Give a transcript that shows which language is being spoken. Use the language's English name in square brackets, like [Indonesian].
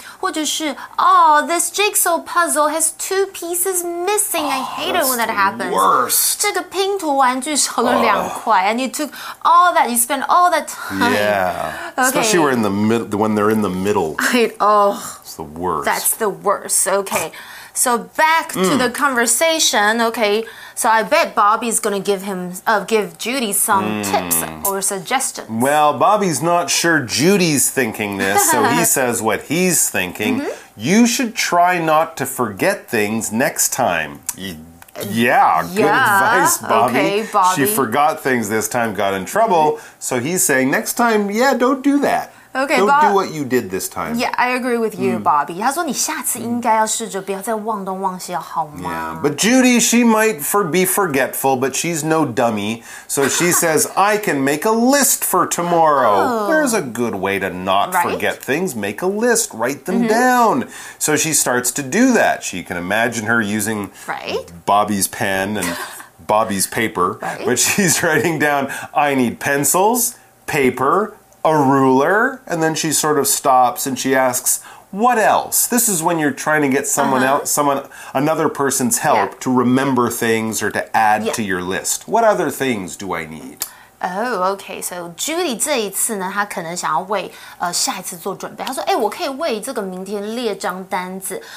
[Chinese] 或者是 [English] oh this jigsaw puzzle has 2 pieces missing. I hate it when that happens. Worst. [Chinese] 这个拼图玩具少了两块。 [English] And you took all that. You spent all that time. Yeah. Okay. We're in the middle, when they're in the middle. It's the worst. That's the worst. Okay. So back to the conversation. Okay. So I bet Bobby's going to give Judy some tips or suggestions. Well, Bobby's not sure Judy's thinking this, so he says what he's thinking. Mm-hmm. You should try not to forget things next time. Good advice, Bobby. Okay, Bobby. She forgot things this time, got in trouble. Mm-hmm. So he's saying, next time, don't do that. Okay, don't do what you did this time. Yeah, I agree with you, Bobby. [Chinese] 他说你下次应该要试着不要再忘东忘西了，好吗？ [English] Yeah, but Judy, she might be forgetful, but she's no dummy. So she says, I can make a list for tomorrow. There's a good way to not forget things. Make a list, write them down. So she starts to do that. She can imagine her using Bobby's pen and Bobby's paper. But she's writing down, I need pencils, paper, a ruler, and then she sort of stops and she asks, what else? This is when you're trying to get someone else, another person's help to remember things or to add to your list. What other things do I need? Oh, okay. [Chinese] So Judy 这一次呢，她可能想要为下一次做准备。她说，我可以为这个明天列张单子。